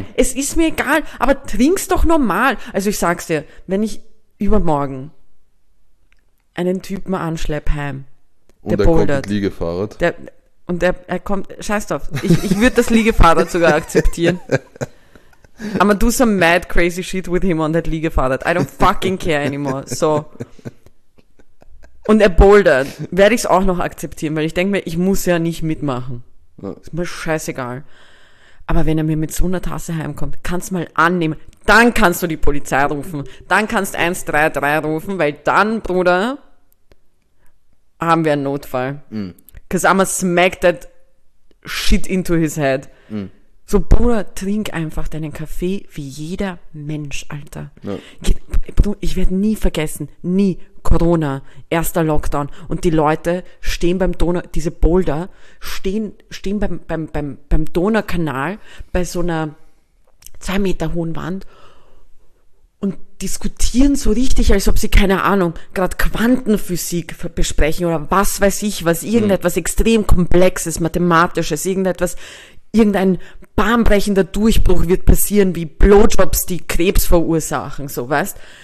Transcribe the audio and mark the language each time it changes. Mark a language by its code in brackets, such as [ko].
[de] Nein, es ist mir egal, aber trink's doch normal. Also ich sag's dir, wenn ich übermorgen einen Typen anschlepp heim, der bouldert. Und er kommt mit Liegefahrrad. Er kommt, scheiß drauf, ich würde das Liegefahrrad sogar akzeptieren. [en] I'm gonna do some mad crazy shit with him on that Liegefahrrad. I don't fucking care anymore. [de] So. Und er bouldert. Werde ich es auch noch akzeptieren, weil ich denke mir, ich muss ja nicht mitmachen. Ist mir scheißegal. Aber wenn er mir mit so einer Tasse heimkommt, kannst du mal annehmen. Dann kannst du die Polizei rufen. Dann kannst du 133 rufen, weil dann, Bruder, haben wir einen Notfall. [en] Because I'm gonna smack that shit into his head. [de] So, Bruder, trink einfach deinen Kaffee wie jeder Mensch, Alter. No. Ich werde nie vergessen, nie, Corona, erster Lockdown. Und die Leute stehen beim Donau, diese Boulder, stehen beim Donaukanal bei so einer 2 Meter hohen Wand und diskutieren so richtig, als ob sie, keine Ahnung, gerade Quantenphysik besprechen oder was weiß ich was, irgendetwas extrem Komplexes, Mathematisches, irgendein bahnbrechender Durchbruch wird passieren, wie Blowjobs, die Krebs verursachen, so, weißt?